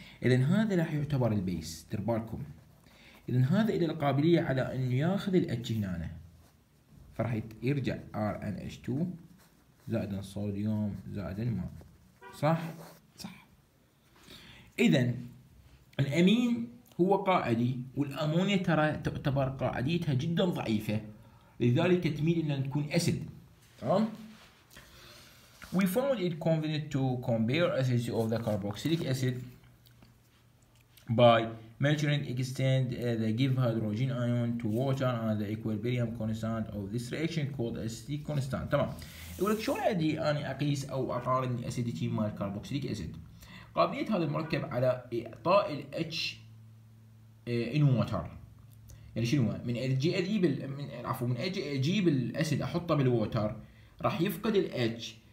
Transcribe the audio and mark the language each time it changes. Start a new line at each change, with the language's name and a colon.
Arabic: اذا هذا راح يعتبر البيس، ترباركم. اذا هذا له القابليه على انه ياخذ الاتش هنا، فراح يرجع RnH2 زائد صوديوم زائد ماء، صح؟ صح. اذا الامين هو قاعدي، والامونيا ترى تعتبر قاعديتها جدا ضعيفه، لذلك تميل انها تكون اسيد تمام.
English: We found it convenient to compare acidity of the carboxylic acid by measuring extend the give hydrogen ion to water and the equilibrium constant of this reaction called acidity constant.
Arabic: تمام. يقول لك شلون عندي انا اقيس او اقارن الاسيديتي مال كاربوكسيليك اسيد؟ قابلية هذا المركب على اعطاء ال H
English: in water.
Arabic: يعني شنو؟ من اجي اجيب من عفوا من اجي اجيب الاسيد احطه بالووتر، راح يفقد ال H.